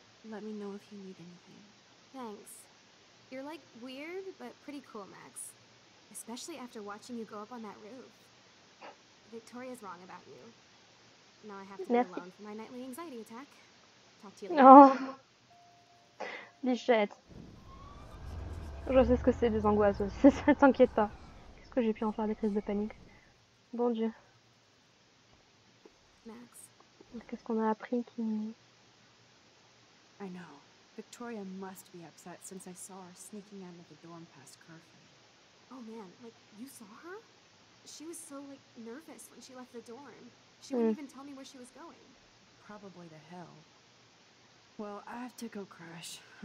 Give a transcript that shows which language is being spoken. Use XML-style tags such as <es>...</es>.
<en>Let me know if you need anything. Thanks. You're, like, weird, but pretty cool, Max. Especially after watching you go up on that roof. Victoria's wrong about you. Now I have to be alone for my nightly anxiety attack. Talk to you later.</en> <fr>Oh. Bichette. Je sais ce que c'est des angoisses aussi, ça t'inquiète pas. Qu'est-ce que j'ai pu en faire des crises de panique? Bon Dieu. Max. Qu'est-ce qu'on a appris qui...</fr> <en>I know. Victoria must be upset since I saw her sneaking out of the dorm past curfew. Oh man, like, you saw her? She was so, like, nervous when she left the dorm. She wouldn't even tell me where she was going. Probably to hell. Well, I have to go crash.</en>